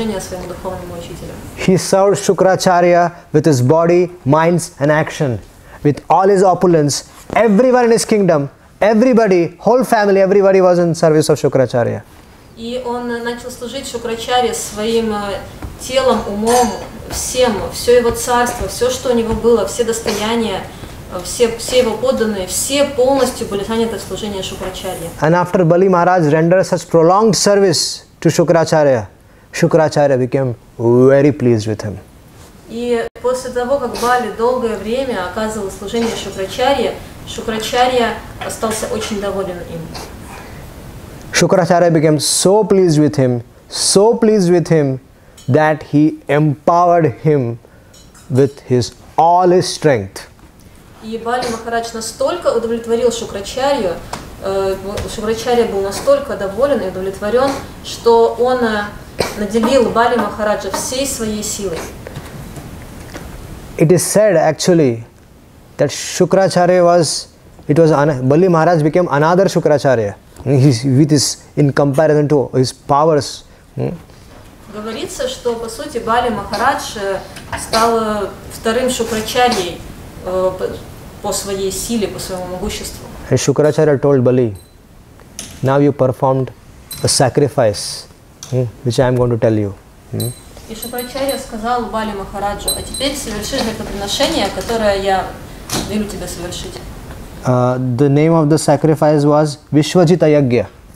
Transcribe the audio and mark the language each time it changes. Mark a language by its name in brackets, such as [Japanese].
[English] He served Shukracharya with his body, minds and action, with all his opulence, everyone in his kingdom, everybody, whole family, everybody was in service of Shukracharya. [Russian] И он начал служить Шукрачарье своим телом, умом, всем, все его царство, все, что у него было, все достояния, все его подданные, все полностью были заняты в служении Шукрачарье. [English] And after Bali Maharaj rendered such prolonged service to Shukracharya, Shukracharya became very pleased with him. [Russian] И после того, как Бали долгое время оказывал служение Шукрачарье, Шукрачарья остался очень доволен им. [English] Shukracharya became so pleased with him, that he empowered him with his all his strength. [Russian] И Бали Махарадж настолько удовлетворил Шукрачарью, Шукрачарья был настолько доволен и удовлетворен, что он наделил Бали Махараджа всей своей силой. [English] It is said actually that Shukracharya Bali Maharaj became another Shukracharya. With his, in comparison to his powers. [Russian] Говорится, что по сути Бали Махарадж стал вторым Шукрачарьей по своей силе, по своему могуществу. [English] And Shukracharya told Bali, now you performed a sacrifice, which I am going to tell you. [Russian] И Шукрачарья сказал Бали Махараджу, а теперь соверши жертвоприношение, которое я велю тебе совершить. [English] The name of the sacrifice was Vishvajita Yagya.